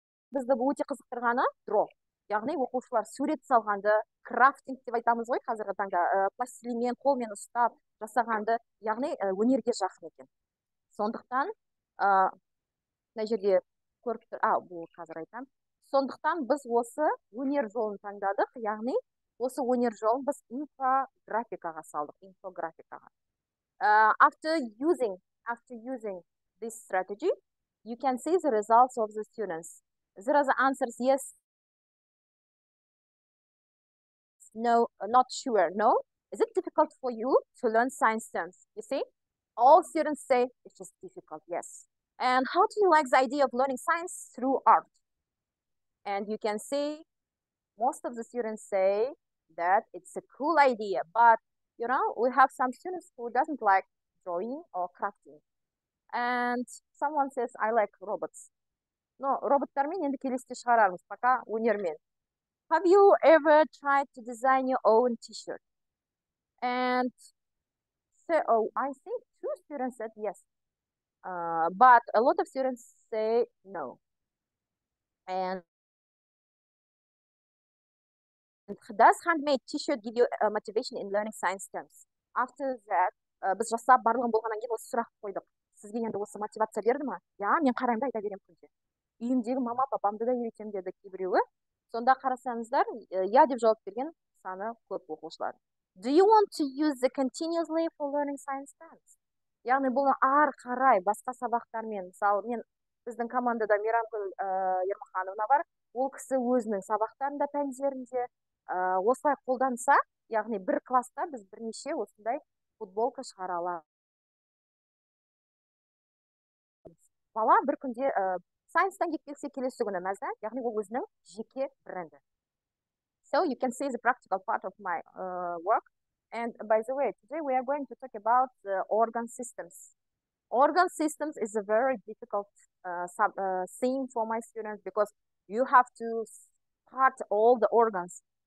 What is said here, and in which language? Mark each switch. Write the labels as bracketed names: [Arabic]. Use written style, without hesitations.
[Kazakh] Бізді өте қызықтырғаны draw. Яғни оқушылар сурет салғанды, crafting деп айтамыз ғой қазіргі таңда, пластилинмен қолмен ұстап жасағанды, яғни өнерге жақын екен. Сондықтан, мына жерде көріп тұр, бұл қазір айтам. Сондықтан біз осы өнер жолын таңдадық, яғни осы өнер жолын біз инфографикаға салдық, инфографикаға. [English] After using this strategy, you can see the results of the students. There are the answers yes, no, not sure, no. Is it difficult for you to learn science terms? You see, all students say it's just difficult, yes. And how do you like the idea of learning science through art? And you can see most of the students say that it's a cool idea, but you know, we have some students who doesn't like drawing or crafting. And someone says, I like robots. [Kazakh] No, роботтармен енді келесіде шығарамыз, пока өнермен. [English] Have you ever tried to design your own t-shirt? And so, I think two students said yes, but a lot of students say no. And does handmade t-shirt give you motivation in learning science terms? After that, [Kazakh] біз жасап барлығын болғаннан кейін осы сұрақ қойдық. Сізге енді осы мотивация берді ма? Иә, мен қараймын да айта беремін күнде. Үйімдегі мама папамды да үйретем деді кейбіреуі. Сонда қарасаңыздар, иә деп жауап берген саны көп оқушылар. [English] Do you want to use the continuously for learning science terms? [Kazakh] Яғни бұны ары қарай басқа сабақтармен, мысалы мен біздің командада Мейрамгүл Ермахановна бар, ол кісі өзінің сабақтарында пәндерінде осылай қолданса, яғни бір класта біз бірнеше осындай футболка шығара аламыз. Бала бір күнде сайнстан кеткенше келесі күні мәзі, яғни ол өзінің жеке бренді. [English] So you can see the practical part of my work. And by the way, today we are going to talk about the organ systems. Organ systems is a very difficult thing for my students because you have to start all the organs.